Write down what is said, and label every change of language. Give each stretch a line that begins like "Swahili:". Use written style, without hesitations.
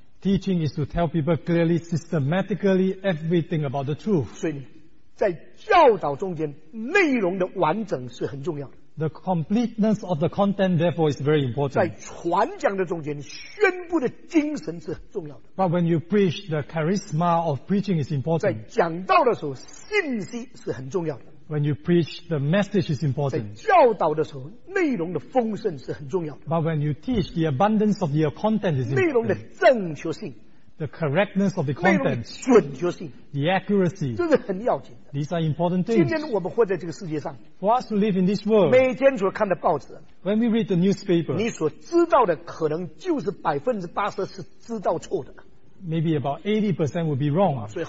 English: Teaching is to tell people clearly, systematically everything about the truth.
Chinese: 所以在教导中间，内容的完整是很重要的。
English: The completeness of the content, therefore, is very important.
Chinese: 在传讲的中间，宣布的精神是很重要的。
English: But when you preach, the charisma of preaching is important.
Chinese: 在讲道的时候，信息是很重要的。
English: When you preach, the message is important.
Chinese: 在教导的时候，内容的丰盛是很重要的。
English: But when you teach, the abundance of your content is important.
Chinese: 内容的正确性。
English: The correctness of the content.
Chinese: 内容的准确性。
English: The accuracy.
Chinese: 这是很要紧。
English: These are important things.
Chinese: 今天我们活在这个世界上,
English: for us to live in this world,
Chinese: 每天所看的报纸,
English: when we read the newspaper,
Chinese: 你所知道的可能就是 80% 是知道错的。
English: Maybe about 80% would be wrong.